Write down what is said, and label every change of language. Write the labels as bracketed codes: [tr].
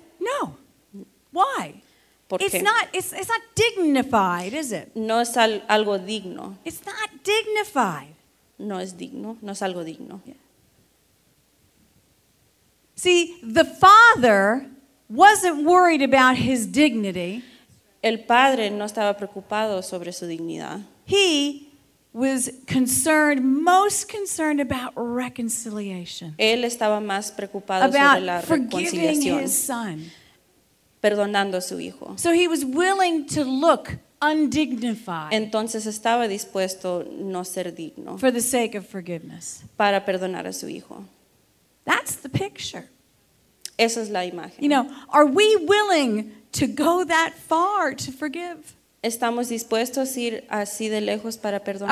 [en] No. Why? It's not dignified, is it? [es] No es algo digno. [en] It's not dignified. [es] No es digno. No es algo digno. [en] Yeah. See, the father wasn't worried about his dignity. [es] El padre no estaba preocupado sobre su dignidad. [en] He was concerned, most concerned about reconciliation. [es] Él estaba más preocupado sobre la reconciliación. [en] About forgiving his son. [es] Perdonando a su hijo. [en] So he was willing to look undignified. [es] Entonces estaba dispuesto a no ser digno. [en] For the sake of forgiveness. [es] Para perdonar a su hijo. [en] That's the picture. [es] Esa es la imagen. [en] You know, are we willing to go that far to forgive? [es] ¿Estamos dispuestos a ir así de lejos para perdonar?